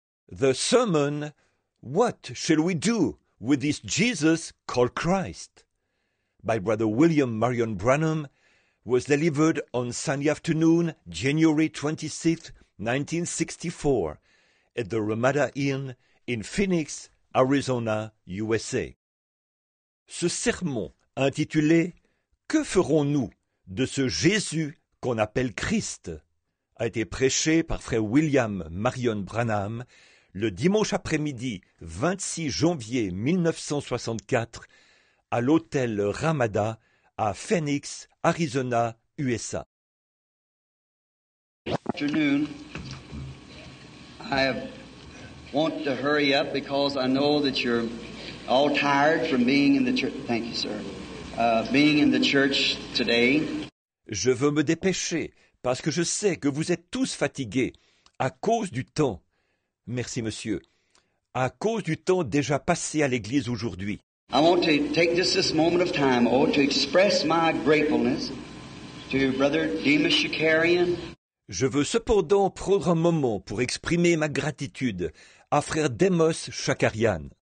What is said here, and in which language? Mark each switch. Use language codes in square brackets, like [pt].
[en] the sermon, What Shall We Do with This Jesus Called Christ? By Brother William Marion Branham, was delivered on Sunday afternoon, January 26, 1964, at the Ramada Inn in Phoenix, Arizona, USA. [fr] Ce sermon intitulé Que ferons-nous de ce Jésus qu'on appelle Christ a été prêché par Frère William Marion Branham le dimanche après-midi 26 janvier 1964 à l'hôtel Ramada à Phoenix, Arizona, USA. [en] Afternoon. I want to hurry up because I know that you're all tired from being in the church. Thank you, sir. Being in the church today. [fr] Je veux me dépêcher parce que je sais que vous êtes tous fatigués à cause du temps. Merci, monsieur. À cause du temps déjà passé à l'église aujourd'hui. [en] I want to take this moment of time, to express my gratefulness to Brother Demas Shakarian. [fr] Je veux cependant prendre un moment pour exprimer ma gratitude à Frère Demas Shakarian.